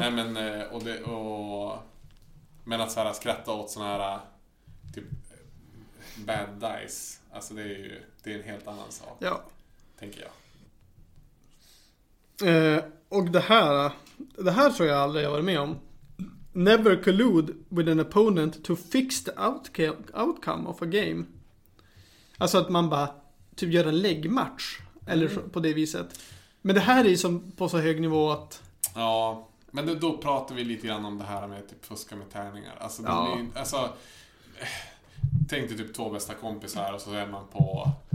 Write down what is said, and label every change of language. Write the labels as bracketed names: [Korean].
[Swedish] Nej, men, och det, och, men att så här, skratta åt sån här typ [English] bad dice. [Swedish] Alltså det är ju, det är en helt annan sak. Ja. Tänker jag. Och det här tror jag aldrig jag varit med om. [English] Never collude with an opponent to fix the outcome of a game. [Swedish] Alltså att man bara typ göra en läggmatch. Eller på det viset. Men det här är ju som på så hög nivå att... Ja, men då pratar vi lite grann om det här med typ fuska med tärningar. Alltså, det blir, alltså, tänk dig typ 2 bästa kompisar och så är man på...